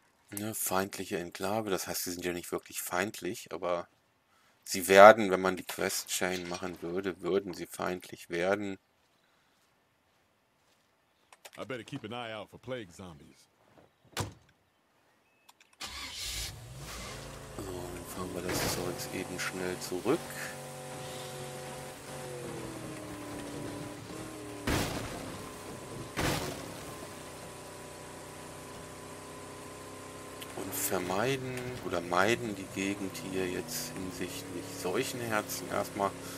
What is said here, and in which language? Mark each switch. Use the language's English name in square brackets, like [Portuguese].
[German] Eine feindliche Enklave, das heißt, sie sind ja nicht wirklich feindlich, aber sie werden, wenn man die Questchain machen würde, würden sie feindlich werden. [English] I better keep an eye out for plague zombies. [German] So, dann fahren wir das Zeug eben schnell zurück. Vermeiden oder meiden die Gegend hier jetzt hinsichtlich solchen Herzen erstmal.